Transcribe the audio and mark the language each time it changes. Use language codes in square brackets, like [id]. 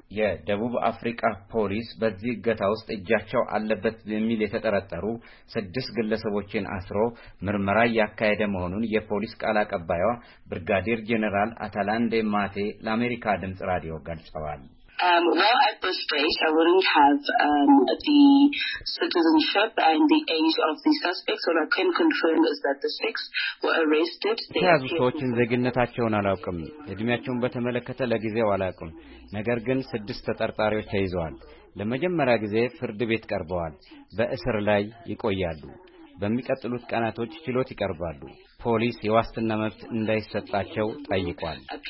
[am] ያለው። የደቡብ አፍሪካ ፖሊስ በዚህ እገታ ውስጥ እጃቸው አለበት በሚል የተጠረጠሩ 6 ግለሰቦችን አስሮ ምርመራ ያካሄደ መሆኑን የፖሊስ ቃል አቀባይዋ ብርጋዴር ጄኔራል አታላንዴ ማቴ ለአሜሪካ ድምጽ ራዲዮ ገልጸዋል። [en] At this stage, I wouldn't have the citizenship and the age of the suspects. What I can confirm is that the 6 were arrested. [am] ያዙ ሰዎችን ዜግነታቸውን አላውቅም። እድሜያቸውን በተመለከተ ለጊዜው አላውቅም። ነገር ግን 6 ተጠርጣሪዎች ተይዘዋል። ለመጀመሪያ ጊዜ ፍርድ ቤት ቀርበዋል። በእስር ላይ ይቆያሉ። በሚቀጥሉት ቀናቶች ችሎት ይቀርባሉ። ፖሊስ የዋስትና መብት እንዳይሰጣቸው ጠይቋል።